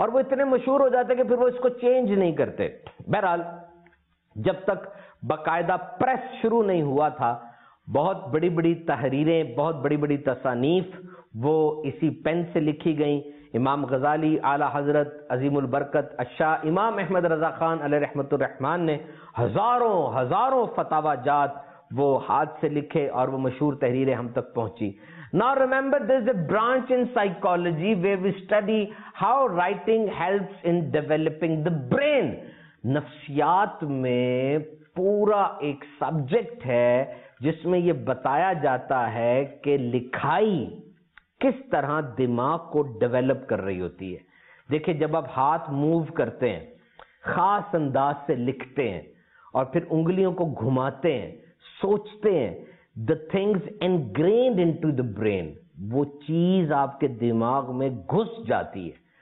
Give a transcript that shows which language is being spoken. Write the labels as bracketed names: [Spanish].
[Urdu] اور وہ اتنے مشہور ہو جاتے کہ پھر وہ اس کو چینج نہیں کرتے. بہرحال جب تک باقاعدہ پریس شروع نہیں ہوا تھا بہت بڑی بڑی تحریریں بہت بڑی بڑی تصانیف وہ اسی پین سے لکھی گئیں. امام غزالی اعلی حضرت عظیم البرکت الشاہ امام احمد رضا خان علیہ رحمت الرحمان نے ہزاروں ہزاروں فتاوی جات وہ ہاتھ سے لکھے اور وہ مشہور تحریریں ہم تک پہنچی. [English] Now remember, there is a branch in psychology where we study how writing helps in developing the brain. [Urdu] نفسیات میں پورا ایک سبجیکٹ ہے جس میں یہ بتایا جاتا ہے کہ لکھائی کس طرح دماغ کو ڈیولپ کر رہی ہوتی ہے. دیکھیں جب آپ ہاتھ موو کرتے ہیں خاص انداز سے لکھتے ہیں اور پھر انگلیوں کو گھماتے ہیں سوچتے ہیں [English] the things ingrained into the brain [Urdu] وہ چیز آپ کے دماغ میں گھس جاتی ہے.